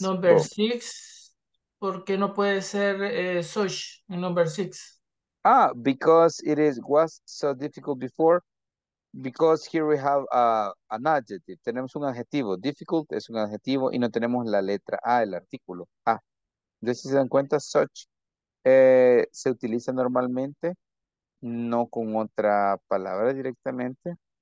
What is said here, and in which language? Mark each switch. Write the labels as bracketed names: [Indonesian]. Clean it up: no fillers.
[English] Number six, [Spanish] ¿por qué no puede ser [English] such in number six? Ah, because it is was so difficult before. Because here we have an adjective. [Spanish] Tenemos un adjetivo. Difficult es un adjetivo y no tenemos la letra A, el artículo. Ah. Entonces, si se dan cuenta, such se utiliza normalmente, no con otra palabra directamente.